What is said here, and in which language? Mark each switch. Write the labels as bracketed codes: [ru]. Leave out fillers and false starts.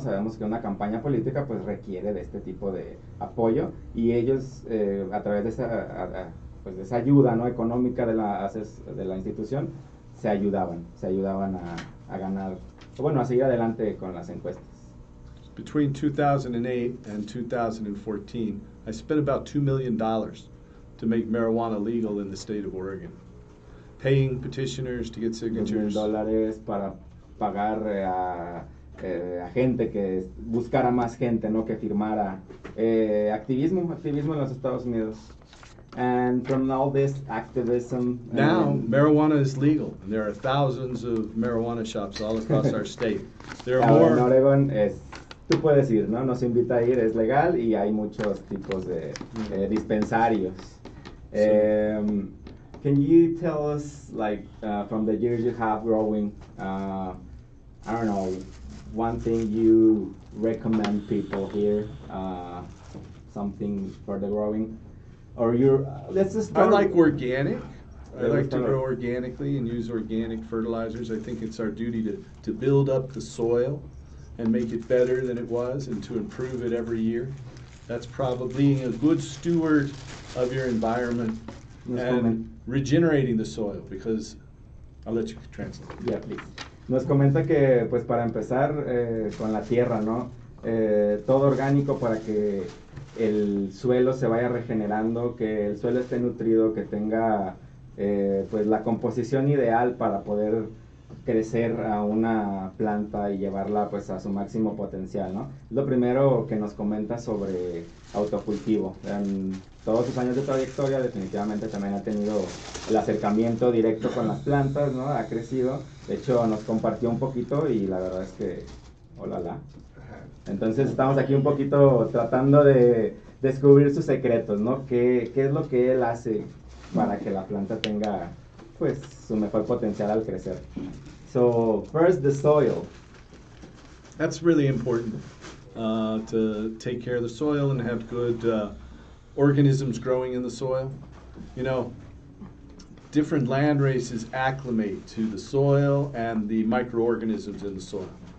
[es] Sabemos que una campaña política, pues, requiere de este tipo de apoyo y ellos, a través de esa, pues, de esa ayuda, ¿no? Económica de la institución, se ayudaban a ganar, bueno, a seguir adelante con las encuestas. [en] Between 2008 and 2014, I spent about $2 million to make marijuana legal in the state of Oregon, paying petitioners to get signatures. [es] $2 million para pagar a gente que buscara más gente, ¿no? Que firmara activismo en los Estados Unidos. [en] And from all this activism, now marijuana is legal, and there are thousands of marijuana shops all across our state. There are [es] more. En Oregon es, tú puedes ir, ¿no? Nos invita a ir, es legal, y hay muchos tipos de dispensarios. [en] So, can you tell us, like, from the years you have growing, I don't know, one thing you recommend people here, something for the growing? Or I like organic. I like to grow organically and use organic fertilizers. I think it's our duty to build up the soil and make it better than it was and to improve it every year. That's probably being a good steward of your environment and regenerating the soil, because I'll let you translate. Yeah, please. [es] Nos comenta que, pues, para empezar con la tierra, ¿no? Todo orgánico para que el suelo se vaya regenerando, que el suelo esté nutrido, que tenga pues la composición ideal para poder crecer a una planta y llevarla, pues, a su máximo potencial, ¿no? Lo primero que nos comenta sobre autocultivo. En todos sus años de trayectoria, definitivamente también ha tenido el acercamiento directo con las plantas, ¿no? Ha crecido. De hecho, nos compartió un poquito y la verdad es que, olala. Entonces estamos aquí un poquito tratando de descubrir sus secretos, ¿no? ¿Qué es lo que él hace para que la planta tenga, pues, su mejor potencial al crecer? [en] So, first the soil. That's really important, to take care of the soil and have good organisms growing in the soil. You know, different land races acclimate to the soil and the microorganisms in the soil.